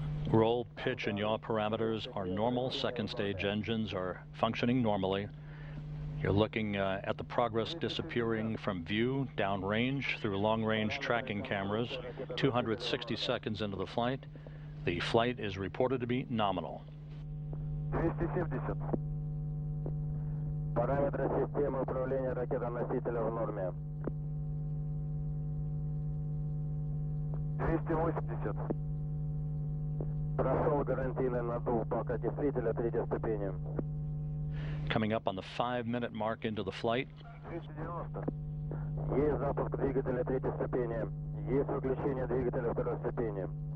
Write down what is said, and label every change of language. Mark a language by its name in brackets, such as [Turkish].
[English] Roll, pitch, and yaw parameters are normal. Second stage engines are functioning normally. You're looking at the Progress disappearing from view downrange through long-range tracking cameras. 260 seconds into the flight, the flight is reported to be nominal. 270. [Russian] Параметры системы управления ракетоносителя в норме. [English] 280. [Russian] Прошел гарантийный надув бака действителя третьей ступени. [English] Coming up on the 5 minute mark into the flight. 290. [Russian] Есть запуск двигателя третьей ступени. Есть выключение двигателя второй ступени.